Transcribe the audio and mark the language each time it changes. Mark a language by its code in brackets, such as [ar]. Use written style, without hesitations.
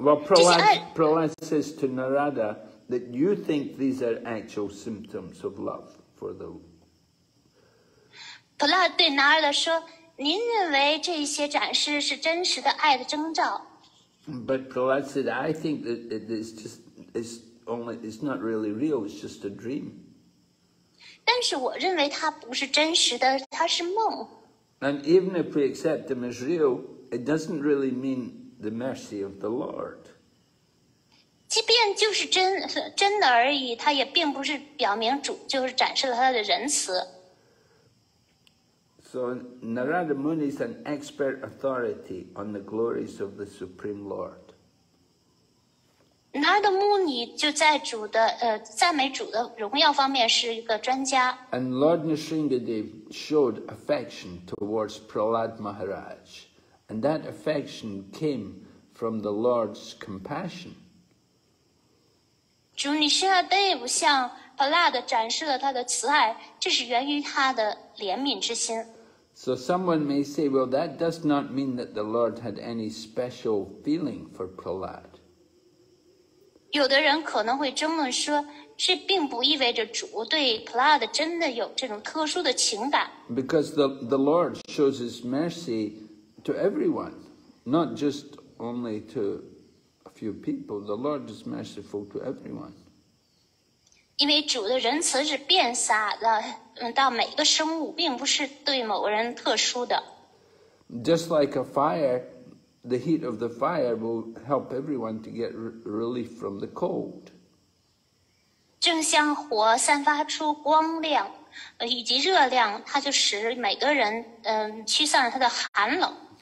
[en] Prahlad says to Narada that you think these are actual symptoms of love for the Lord. [zh] Prahlad 对 Narada 说，您认为这些展示是真实的爱的征兆。 [en] But Prahlad said, I think that it's not really real, it's just a dream. [zh] 但是我认为它不是真实的，它是梦。 [en] And even if we accept them as real, it doesn't really mean the mercy of the Lord. [zh] 即便就是真的而已，它也并不是表明主就是展示了他的仁慈。 [en] So Narada Muni is an expert authority on the glories of the Supreme Lord. [zh] Narada Muni 就在主的赞美主的荣耀方面是一个专家。 [en] And Lord Nrsingadev showed affection towards Prahlad Maharaj, and that affection came from the Lord's compassion. [zh] 主 Nrsingadev 向 Prahlad 展示了他的慈爱，这是源于他的怜悯之心。 [en] So someone may say, well, that does not mean that the Lord had any special feeling for Prahlad. [zh] 有的人可能会这么说，这并不意味着主对 Prahlad 真的有这种特殊的情感。 [en] Because the Lord shows his mercy to everyone, not just only to a few people. The Lord is merciful to everyone. [zh] 因为主的仁慈是遍洒的，到每个生物，并不是对某人特殊的。 [en] Just like a fire, the heat of the fire will help everyone to get relief from the cold. [zh] 正像火散发出光亮，以及热量，它就使每个人驱散了他的寒冷。